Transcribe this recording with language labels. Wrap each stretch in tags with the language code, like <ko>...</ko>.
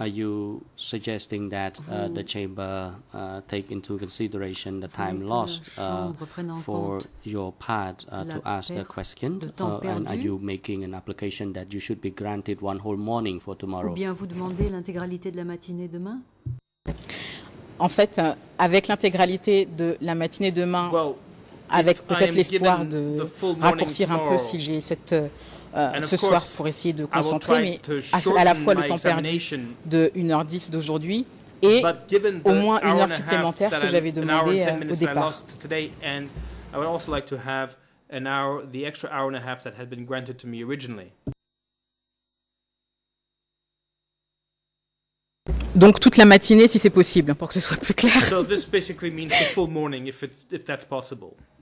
<en>Are you suggesting that the chamber take into consideration the time lost for your part to ask the question? And are you making an application that you should be granted one whole morning for tomorrow?</en> <fr>Ou bien vous demandez l'intégralité de la matinée demain? En fait, avec l'intégralité de la matinée demain, avec peut-être l'espoir de raccourcir un peu si j'ai cette ce soir pour essayer de concentrer, mais à la fois le temps perdu de 1h10 d'aujourd'hui et au moins une heure supplémentaire que j'avais demandé au départ.</fr> <en>I would also like to have an hour, the extra hour and a half that had been granted to me originally.</en> <fr>Donc toute la matinée, si c'est possible, pour que ce soit plus clair.</fr> <en>So this basically means the full morning, if that's possible.</en>